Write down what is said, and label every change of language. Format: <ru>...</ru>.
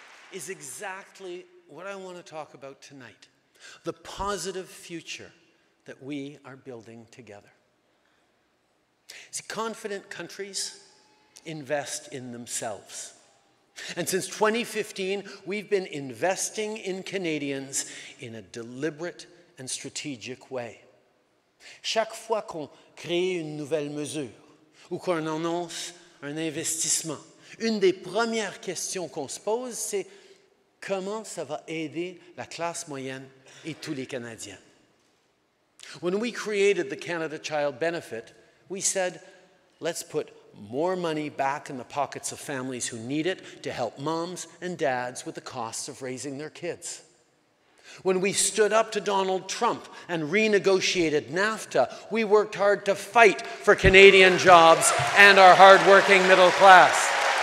<en>Is exactly what I want to talk about tonight, the positive future that we are building together. See, confident countries invest in themselves. And since 2015, we've been investing in Canadians in a deliberate and strategic way.</en> <fr>Chaque fois qu'on crée une nouvelle mesure ou qu'on annonce un investissement, une des premières questions qu'on se pose, c'est comment ça va aider la classe moyenne et tous les Canadiens?</fr> <en>When we created the Canada Child Benefit, we said, let's put more money back in the pockets of families who need it to help moms and dads with the costs of raising their kids. When we stood up to Donald Trump and renegotiated NAFTA, we worked hard to fight for Canadian jobs and our hardworking middle class.</en>